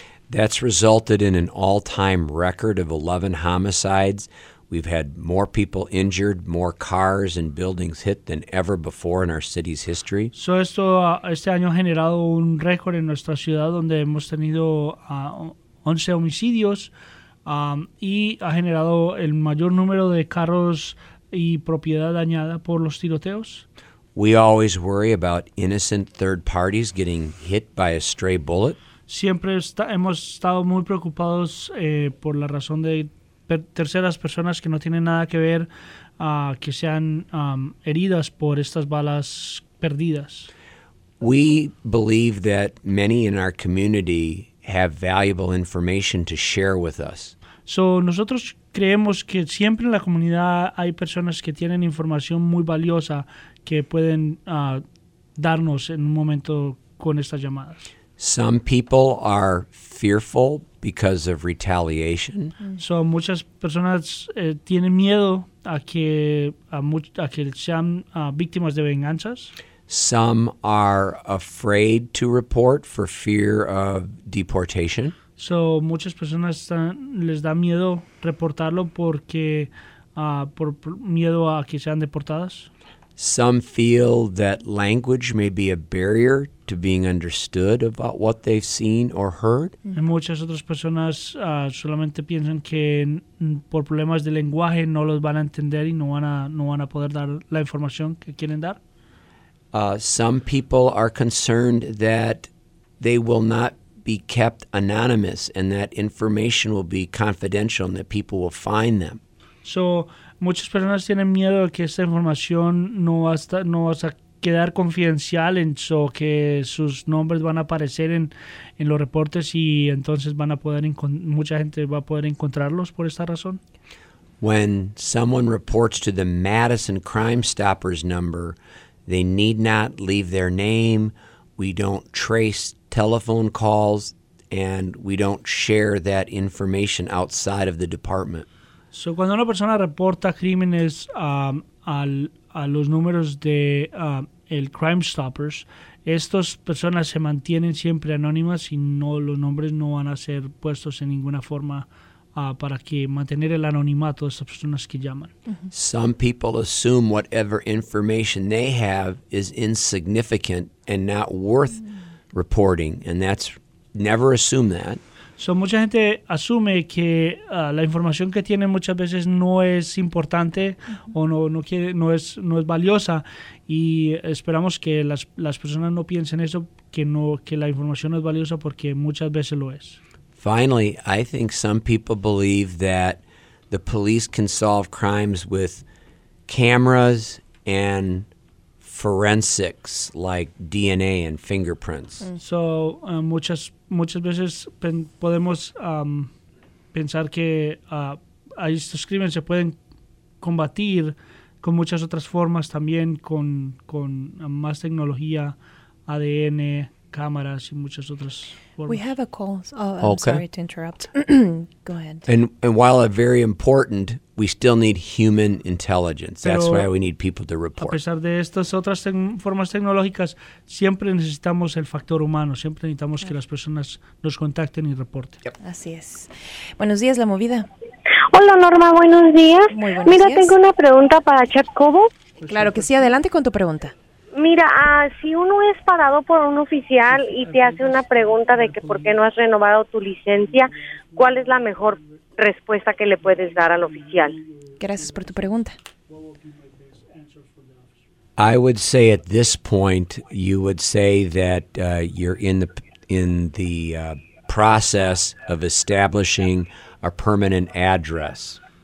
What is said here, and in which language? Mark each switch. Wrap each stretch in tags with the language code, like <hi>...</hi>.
<en>That's resulted in an all-time record of 11 homicides. We've had more people injured, more cars and buildings hit than ever before in our city's history.</en> <es>So esto este año ha generado un récord en nuestra ciudad donde hemos tenido 11 homicidios y ha generado el mayor número de carros y propiedad dañada por los tiroteos.</es> <en>We always worry about innocent third parties getting hit by a stray bullet.</en> <es>Siempre hemos estado muy preocupados por la razón de terceras personas que no tienen nada que ver que sean heridas por estas balas perdidas.</es> <en>We believe that many in our community have valuable information to share with us.</en> <es>So nosotros creemos que siempre en la comunidad hay personas que tienen información muy valiosa que pueden darnos en un momento con estas llamadas.</es> <en>Some people are fearful because of retaliation.</en> <es>So muchas personas tienen miedo a que sean víctimas de venganzas.</es> <en>Some are afraid to report for fear of deportation.</en> <es>So muchas personas les da miedo reportarlo porque por miedo a que sean deportadas.</es> <en>Some feel that language may be a barrier to being understood about what they've seen or heard.</en> <es>Muchas otras personas solamente piensan que por problemas de lenguaje no los van a entender y no van a poder dar la información que quieren dar.</es> <en>Some people are concerned that they will not be kept anonymous and that information will be confidential and that people will find them.</en> <es>So muchas personas tienen miedo de que esta información no va a quedar confidencial en eso, que sus nombres van a aparecer en los reportes y entonces van a poder mucha gente va a poder encontrarlos por esta razón.</es> <en>When someone reports to the Madison Crime Stoppers number, they need not leave their name. We don't trace telephone calls and we don't share that information outside of the department.</en> <es>So cuando una persona reporta crímenes a los números de el Crime Stoppers, estas personas se mantienen siempre anónimas y no los nombres no van a ser puestos en ninguna forma para que mantener el anonimato de esas personas que llaman.</es> <en>Some people assume whatever information they have is insignificant and not worth reporting, and that's never assume that.</en> <es>So mucha gente asume que la información que tiene muchas veces no es importante o no es valiosa y esperamos que las personas no piensen eso que la información no es valiosa porque muchas veces lo es.</es> <en>Finally, I think some people believe that the police can solve crimes with cameras and forensics like DNA and fingerprints.</en> <es>So muchas veces podemos pensar que estos crímenes se pueden combatir con muchas otras formas también con más tecnología, ADN, cámaras y muchas otras formas.</es> <en>We have a call. Oh, I'm okay. Sorry to interrupt. Go ahead. And while it's very important, we still need human intelligence. That's why we need people to report.</en> <es>A pesar de estas otras formas tecnológicas, siempre necesitamos el factor humano. Siempre necesitamos que las personas nos contacten y reporten.</es> <en>Yep.</en> <es>Así es. Buenos días, La Movida. Hola, Norma. Buenos días. Muy buenos Mira, días. Tengo una pregunta para Chacobo. Claro que sí. Adelante con tu pregunta. Mira, si uno es parado por un oficial y te hace una pregunta de que por qué no has renovado tu licencia, ¿cuál es la mejor respuesta que le puedes dar al oficial? Gracias por tu pregunta.</es> <en>I would say at this point you would say that you're in the process of establishing a permanent address.</en>